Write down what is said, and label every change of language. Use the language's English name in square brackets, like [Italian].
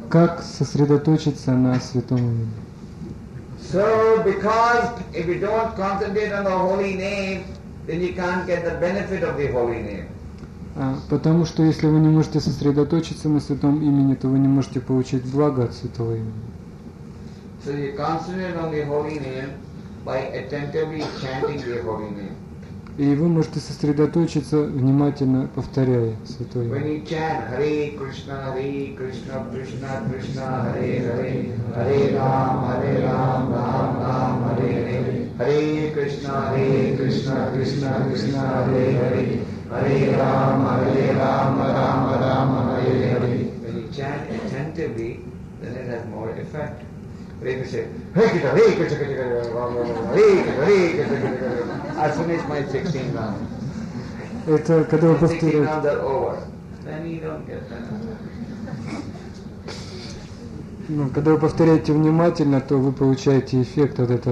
[Russian] Как сосредоточиться на святом имени? [English] So because if you don't concentrate on the holy name, then you can't get the benefit of the holy name. [Russian] Потому что если вы не можете сосредоточиться на святом имени, то вы не можете получить благо от святого имени. [English] So you concentrate on the holy name by attentively chanting the holy name. [Russian] И вы можете сосредоточиться, внимательно повторяя святое имя. [English] When you chant Hare Krishna, Krishna Krishna, Hare Hare, Hare Ram, Ram Ram, Hare Hare, Hare Krishna, Krishna Krishna, Hare Hare, Hare Ram, Hare Ram, Ram Ram, Hare Hare. When you chant attentively, then it has more effect. [Russian] Когда вы повторяете внимательно, то вы получаете эффект от этого.